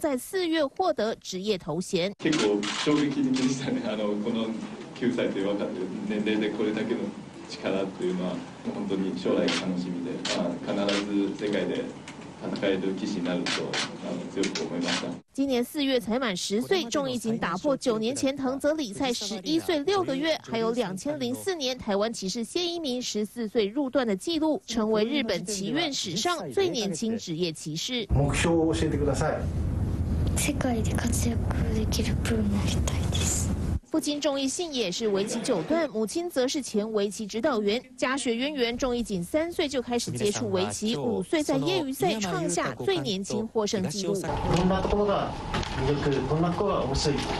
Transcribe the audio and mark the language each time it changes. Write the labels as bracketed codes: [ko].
[zh] 日本的职业围棋界出现了一个超级新星哦，他是一位才小学4年级的天才少女，今年4月呢将成为职业的棋士，这也创下了日本史上最年轻的纪录。记者会上，羞涩可爱模样让现场的大人们会心一笑。年仅9岁的日本天才少女，众议锦经过台湾旅日棋士张徐等6名职业选手审查下，一致通过，将在4月获得职业头衔。 [ja] 力というのは本当に将来楽しみで、まあ、必ず世界で戦える棋士になると強く思いました。 [zh] 今年四月才满十岁，仲已经打破九年前藤泽里菜11岁6个月，还有2004年台湾棋士谢一鸣14岁入段的记录，成为日本棋院史上最年轻职业棋士。 [ja] 目標を教えてください。世界で活躍できるプロになりたいです。 [zh] 父亲仲义信也是围棋九段，母亲则是前围棋指导员，家学渊源。仲义仅3岁就开始接触围棋，5岁在业余赛创下最年轻获胜纪录。 [ja] どんな子が魅力？どんな子が面白い？